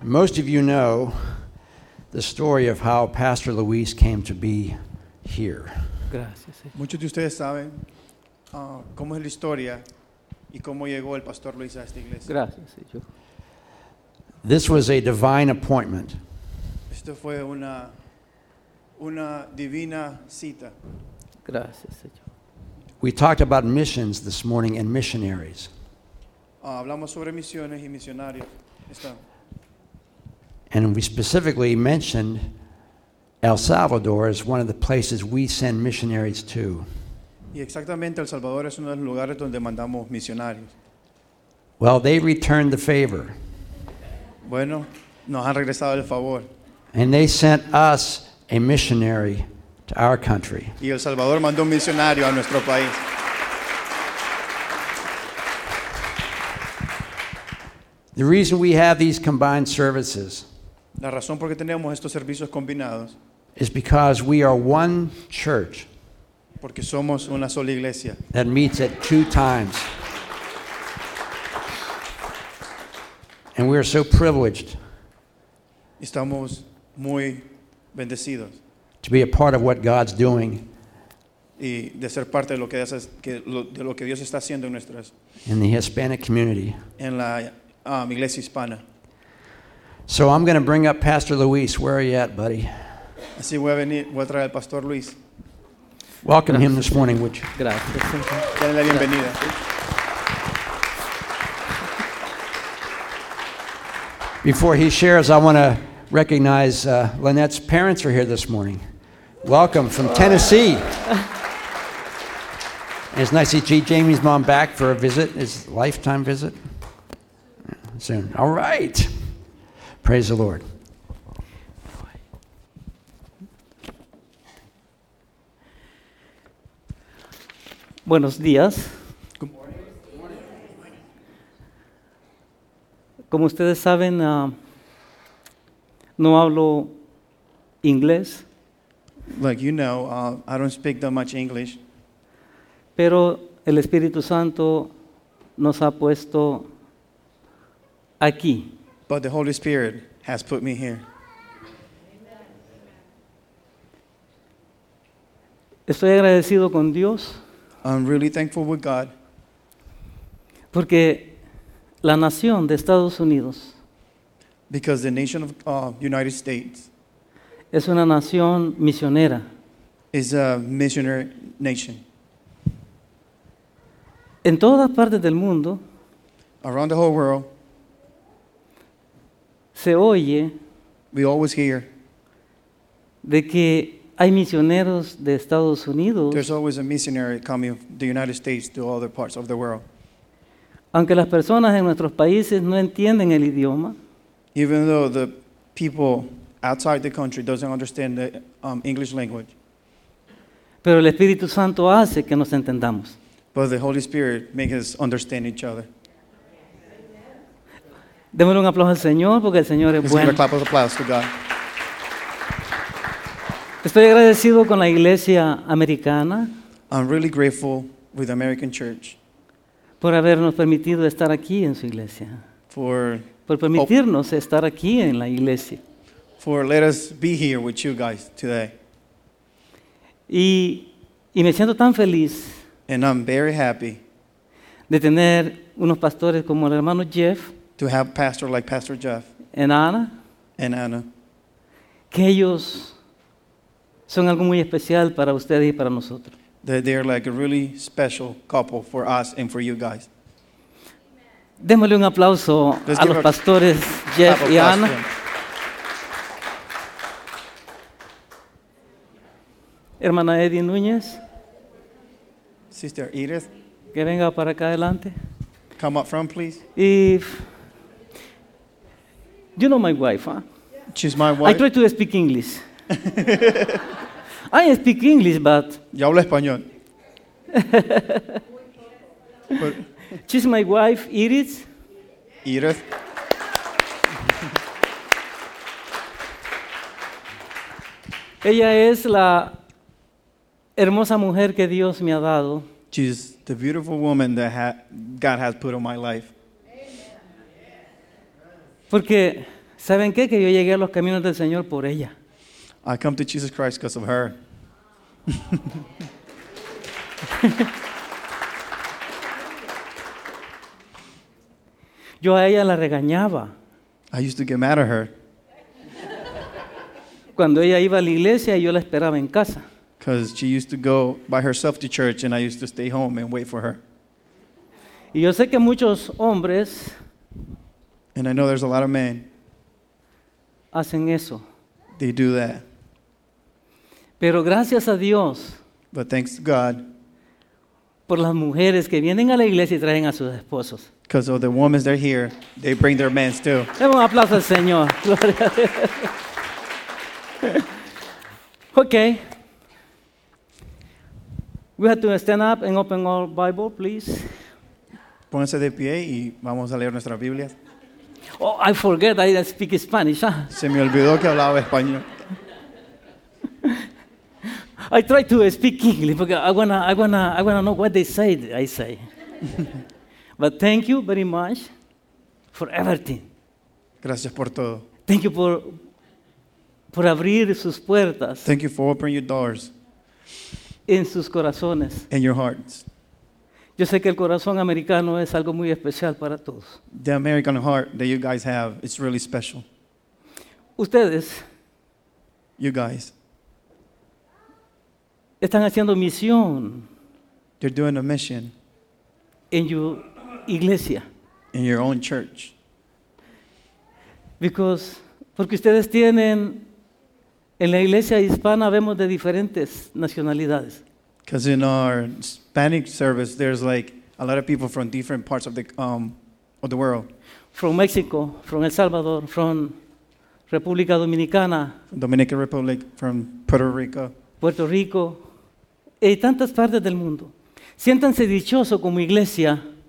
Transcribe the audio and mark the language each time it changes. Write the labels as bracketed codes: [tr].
[en] Most of you know the story of how Pastor Luis came to be here. [es] Gracias. Muchos de ustedes saben cómo es la historia y cómo llegó el Pastor Luis a esta iglesia. Gracias. [en] This was a divine appointment. [es] Esto fue una divina cita. Gracias, Señor. [en] We talked about missions this morning and missionaries. [es] Hablamos sobre misiones y misionarios. [en] And we specifically mentioned El Salvador as one of the places we send missionaries to. [es] Y exactamente El Salvador es uno de los lugares donde mandamos misionarios. [en] Well, they returned the favor. [es] Bueno, nos han regresado el favor. [en] And they sent us a missionary to our country. [es] Y El Salvador mandó un misionario a nuestro país. [en] The reason we have these combined services, [es] la razón por qué tenemos estos servicios combinados, [en] is because we are one church, [es] porque somos una sola iglesia, [en] that meets at two times. And we are so privileged, [es] estamos muy bendecidos, [en] to be a part of what God's doing, [es] y de ser parte de lo que Dios, de lo que Dios está haciendo en nuestras, [en] in the Hispanic community, [es] en la iglesia hispana. [en] So I'm going to bring up Pastor Luis. Where are you at, buddy? [es] Así voy a venir, voy a traer al Pastor Luis. [en] Welcome him this morning, would you? [es] Gracias. Denle la bienvenida. [en] Before he shares, I want to recognize Lynette's parents are here this morning. Welcome from Tennessee. And it's nice to see Jamie's mom back for a visit, his lifetime visit. Soon. All right. Praise the Lord. [es] Buenos días. [en] Good morning. Good morning. [es] Como ustedes saben, no hablo inglés. [en] Like you know, I don't speak that much English. [es] Pero el Espíritu Santo nos ha puesto aquí. [en] But the Holy Spirit has put me here. [es] Estoy agradecido con Dios. [en] I'm really thankful with God. [es] Porque la nación de Estados Unidos, [en] because the nation of United States, [es] es una nación misionera, [en] is a missionary nation. [es] En todas partes del mundo, [en] around the whole world, [es] se oye, [en] we always hear, [es] de que hay misioneros de Estados Unidos. [en] There's always a missionary coming from the United States to other parts of the world. [es] Aunque las personas en nuestros países no entienden el idioma, [en] even though the people outside the country doesn't understand the English language, [es] pero el Espíritu Santo hace que nos entendamos. [en] But the Holy Spirit makes us understand each other. [es] Démosle un aplauso al Señor porque el Señor es bueno. [en] Clap of applause to God. [es] Estoy agradecido con la iglesia americana. [en] I'm really grateful with the American Church. [es] Por habernos permitido estar aquí en su iglesia. Por permitirnos estar aquí en la iglesia. [en] For let us be here with you guys today. [es] Y me siento tan feliz. [en] And I'm very happy. [es] De tener unos pastores como el hermano Jeff. [en] To have a pastor like Pastor Jeff. And Anna. [es] Que ellos son algo muy especial para ustedes y para nosotros. [en] That they're like a really special couple for us and for you guys. [es] Démosle un aplauso a los pastores Jeff y Anna. Hermana Edith Núñez. [en] Sister Edith. [es] Que venga para acá adelante. [en] Come up front, please. You know my wife, huh? She's my wife. I try to speak English. I speak English, but... [es] Yo hablo español. [en] She's my wife, Edith. Edith. [es] Ella es la hermosa mujer que Dios me ha dado. [en] She's the beautiful woman that God has put on my life. [es] Porque... ¿Saben qué? Que yo llegué a los caminos del Señor por ella. [en] I come to Jesus Christ because of her. [es] Yo a ella la regañaba. [en] I used to get mad at her. [es] Cuando ella iba a la iglesia y yo la esperaba en casa. [en] Because she used to go by herself to church and I used to stay home and wait for her. [es] Y yo sé que muchos hombres, [en] and I know there's a lot of men, [es] hacen eso. [en] They do that. [es] Pero gracias a Dios, [en] but thanks to God, [es] por las mujeres que vienen a la iglesia y traen a sus esposos. [en] Because of the women that are here, they bring their men too. [es] Demos un aplauso al Señor. Gloria a Dios. Okay. [en] We have to stand up and open our Bible, please. [es] Pónganse de pie y vamos a leer nuestras Biblias. [en] Oh, I forget I speak Spanish. Huh? [es] Se me olvidó que hablaba español. [en] I try to speak English because I wanna know what they say. I say. But thank you very much for everything. [es] Gracias por todo. [en] Thank you for [es] abrir sus puertas. [en] Thank you for opening your doors. [es] En sus corazones. [en] In your hearts. [es] Yo sé que el corazón americano es algo muy especial para todos. [en] The American heart that you guys have, it's really special. [es] Ustedes. [en] You guys. [es] Están haciendo misión. [en] They're doing a mission. [es] En su iglesia. [en] In your own church. [es] Porque ustedes tienen, en la iglesia hispana vemos de diferentes nacionalidades. [en] Because in our Spanish service, there's like a lot of people from different parts of the world. From Mexico, from El Salvador, from República Dominicana. Dominican Republic, from Puerto Rico. [es] Puerto Rico, y tantas partes del mundo. Siéntanse dichosos como iglesia.